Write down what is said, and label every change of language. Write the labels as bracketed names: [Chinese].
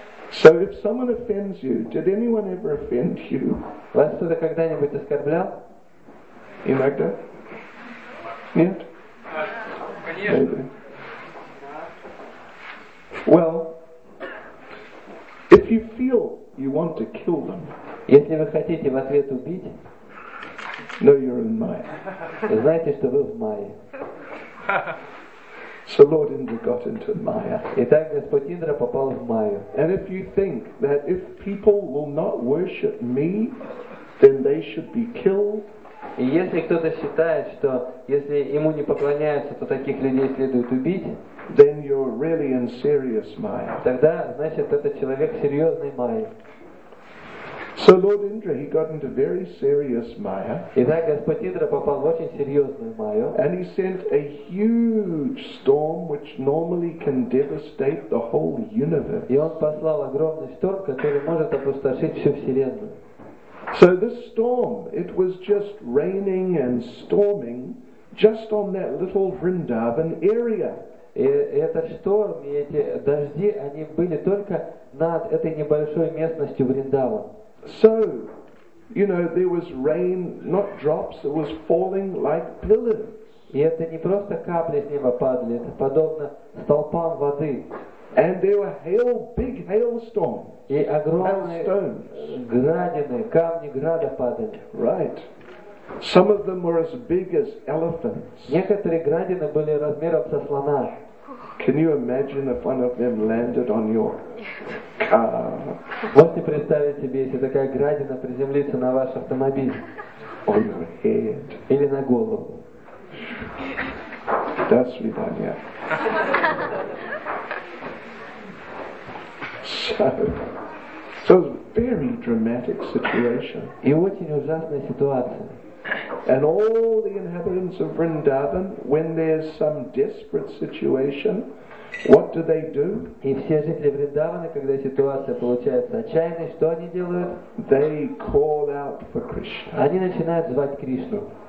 [English] So if someone offends you, did anyone ever offend you? [Russian] Вас кто-то когда-нибудь оскорблял? [English] In fact, [Russian] нет? Конечно. [English] Well, if you feel you want to kill them, [Russian] если вы хотите в ответ убить, [English] no, you're in my. [Russian] Знаете, что вы в мае. [English] So Lord Indra got into Maya. [Russian] Итак, Господь Индра попал в Майю. [English] And if you think that if people will not worship me, then they should be killed. [Russian] И если кто-то считает, что если ему не поклоняются, то таких людей следует убить, [English] then you're really in serious Maya. [Russian] Тогда, значит, этот человек серьезный Майя. [English] So Lord Indra, he got into very serious Maya. [Russian] Итак, Господь Индра попал в очень серьезную Майю. [English] And he sent a huge storm, which normally can devastate the whole universe. [Russian] И он послал огромный шторм, который может опустошить всю вселенную. [English] So this storm, it was just raining and storming just on that little Vrindavan area. [Russian] И этот шторм и эти дожди, они были только над этой небольшой местностью Вриндава. [English] So, you know, there was rain, not drops, it was falling like pillars. [Russian] И это не просто капли с неба падали, это подобно столпам воды. [English] And there were hail, big hailstorms. [Russian] И огромные градины, камни града падали. [English] Right. Some of them were as big as elephants. [Russian] Некоторые градины были размером со слона. [English] Can you imagine if one of them landed on your car? [Russian] Можете представить себе, если такая градина приземлится на ваш автомобиль? [English] On your head. [Russian] Или на голову. До свидания. [English] So it was a very dramatic situation. [Russian] И очень ужасная ситуация. [English] And all the inhabitants of Vrindavan, when there's some desperate situation, what do they do? [Russian] И все жители Вриндавана, когда ситуация получается отчаянной, что они делают? [English] They call out for Krishna. [Russian] Они начинают звать Кришну.